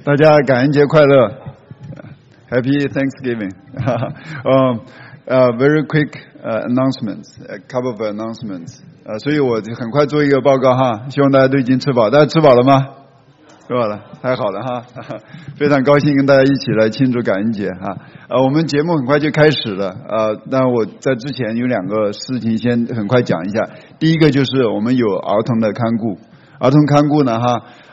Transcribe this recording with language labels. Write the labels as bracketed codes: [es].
[zh] 大家感恩节快乐 ， [en] Happy Thanksgiving 。 Very quick announcements, a couple of announcements。 [zh] 所以我很快做一个报告哈，希望大家都已经吃饱，大家吃饱了吗？吃饱了，太好了哈，非常高兴跟大家一起来庆祝感恩节哈。我们节目很快就开始了，但我在之前有两个事情先很快讲一下。第一个就是我们有儿童的看顾，儿童看顾呢哈。